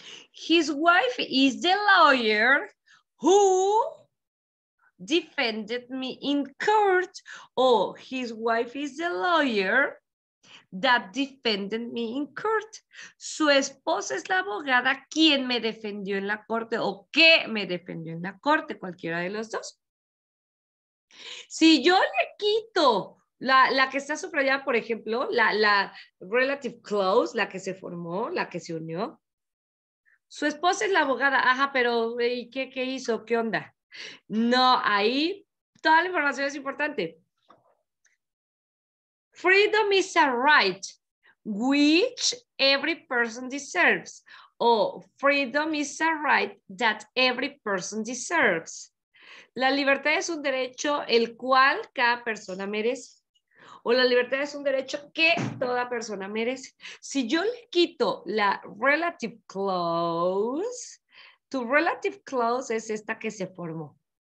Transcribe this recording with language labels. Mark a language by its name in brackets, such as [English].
[English] His wife is the lawyer who defended me in court. Oh, his wife is the lawyer that defended me in court. [Spanish] Su esposa es la abogada quien me defendió en la corte o que me defendió en la corte, cualquiera de los dos. Si yo le quito la que está subrayada, por ejemplo, la relative clause, la que se formó, la que se unió. Su esposa es la abogada. Ajá, pero ¿y qué hizo? ¿Qué onda? No, ahí toda la información es importante. [English] Freedom is a right which every person deserves. Oh, freedom is a right that every person deserves. [Spanish] La libertad es un derecho el cual cada persona merece. O la libertad es un derecho que toda persona merece. Si yo le quito la relative clause, tu relative clause es esta que se formó.